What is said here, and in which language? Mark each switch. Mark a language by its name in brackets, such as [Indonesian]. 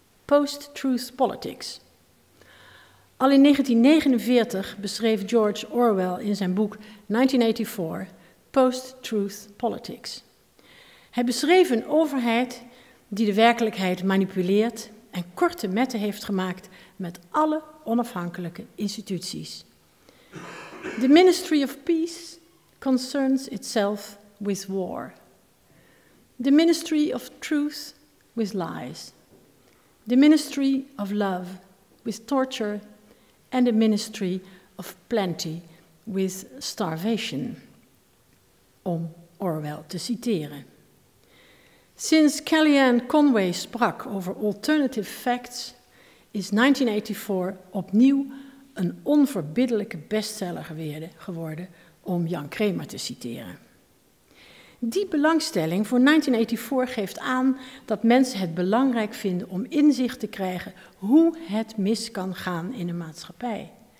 [Dutch] Post-Truth Politics. Al in 1949 beschreef George Orwell in zijn boek 1984 Post-Truth Politics. Hij beschreef een overheid die de werkelijkheid manipuleert en korte metten heeft gemaakt met alle onafhankelijke instituties. [English] The Ministry of Peace concerns itself with war. The Ministry of Truth with lies. The Ministry of Love with torture. And the Ministry of Plenty with starvation. [Dutch] Om Orwell te citeren. Sinds Kellyanne Conway sprak over [English] alternative facts, [Dutch] is 1984 opnieuw een onverbiddelijke bestseller geworden, om Jan Kramer te citeren. Die belangstelling voor 1984 geeft aan dat mensen het belangrijk vinden om inzicht te krijgen hoe het mis kan gaan in een maatschappij.